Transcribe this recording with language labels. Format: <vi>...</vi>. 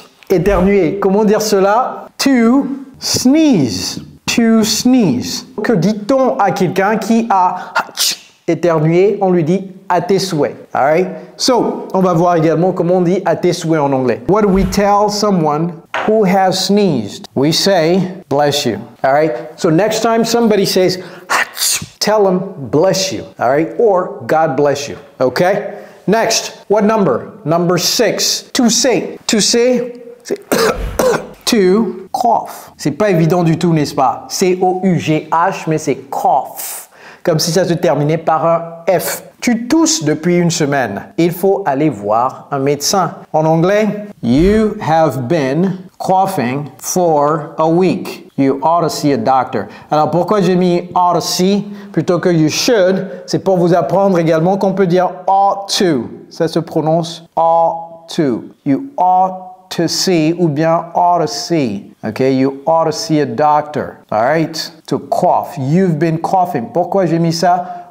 <fr>Éternuer. Comment dire cela?</fr> <en>To sneeze. To sneeze.</en> <fr>Que dit-on à quelqu'un qui a éternué? On lui dit à tes souhaits.</fr> <en>All right? So,</en> <fr>on va voir également comment on dit à tes souhaits en anglais.</fr> <en>What do we tell someone who has sneezed? We say, bless you. All right? So, next time somebody says, tell them, bless you. All right? Or, God bless you. Okay? Next, what number?</en> <fr>Number six. Tousser. Tousser, c'est</fr> <en>to cough.</en> <fr>C'est pas évident du tout, n'est-ce pas? C-O-U-G-H, mais c'est cough. Comme si ça se terminait par un F. Tu tousses depuis une semaine. Il faut aller voir un médecin. En anglais,</fr> <en>you have been coughing for a week. You ought to see a doctor.</en> <fr>Alors, pourquoi j'ai mis</fr> <en>ought to see</en> <fr>plutôt que</fr> <en>you should?</en> <fr>C'est pour vous apprendre également qu'on peut dire</fr> <en>ought to.</en> <fr>Ça se prononce</fr> <en>ought to. You ought to see</en> <fr>ou bien</fr> <en>ought to see. Okay, you ought to see a doctor. All right? To cough. You've been coughing.</en> <fr>Pourquoi j'ai mis ça?</fr>